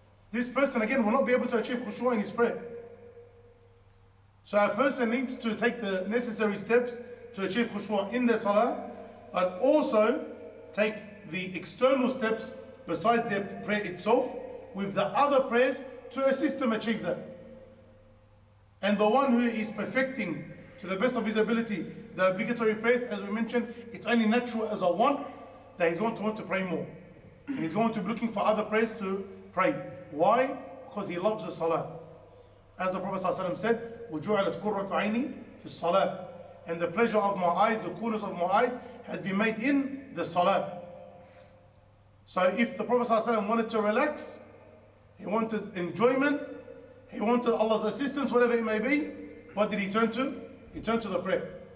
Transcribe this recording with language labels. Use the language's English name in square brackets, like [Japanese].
[English] This person again will not be able to achieve khushu' in his prayer. So a person needs to take the necessary steps to achieve khushu' in their salah, but also take the external steps besides their prayer itself with the other prayers to assist them achieve that. And the one who is perfecting to the best of his ability the obligatory prayers, as we mentioned, it's only natural as a want that he's going to want to pray more. And he's going to be looking for other prayers to pray. Why? Because he loves the salah. As the Prophet ﷺ said, [Arabic] وَجُعَلَتْ قُرَّةُ عَيْنِي فِي الصَّلَاةِ. [English] And the pleasure of my eyes, the coolness of my eyes, has been made in the salah. So if the Prophet ﷺ wanted to relax, he wanted enjoyment, he wanted Allah's assistance, whatever it may be, what did he turn to? He turned to the prayer.